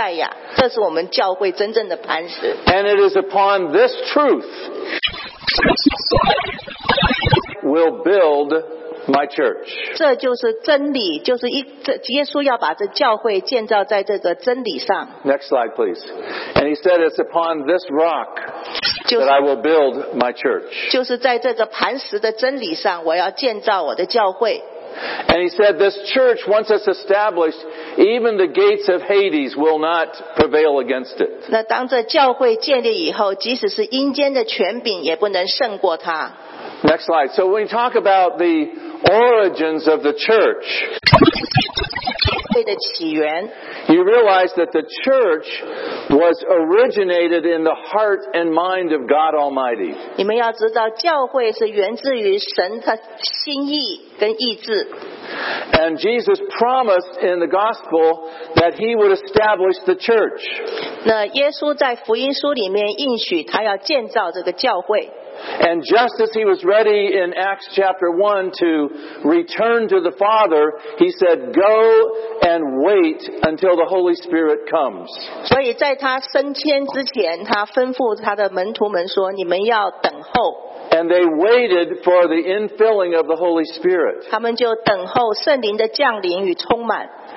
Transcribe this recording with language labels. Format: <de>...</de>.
<zh>而是耶稣他自己是那一位救主，是那一个磐石，是那一位弥赛亚。这是我们教会真正的磐石。</zh> <en>And it is upon this truth we'll build my church.</en> <zh>这就是真理，就是耶稣要把这教会建造在这个真理上。</zh> <en>Next slide, please. And he said, "It's upon this rock." That I will build my church.</en> <zh>就是在这个磐石的真理上，我要建造我的教会。</zh> <en>And he said, "This church, once it's established, even the gates of Hades will not prevail against it."</en> <zh>那当这教会建立以后，即使是阴间的权柄也不能胜过它。</zh> <en>Next slide. So when we talk about the origins of the church, you realize that the church was originated in the heart and mind of God Almighty. And Jesus promised in the gospel that he would establish the church. And just as he was ready in Acts chapter 1 to return to the Father, he said, go and wait until the Holy Spirit comes.</en> <zh>所以在他升天之前, 他吩咐他的门徒们说, 你们要等候。</zh> <en>And they waited for the infilling of the Holy Spirit.</en> <zh>他们就等候圣灵的降临与充满。</zh>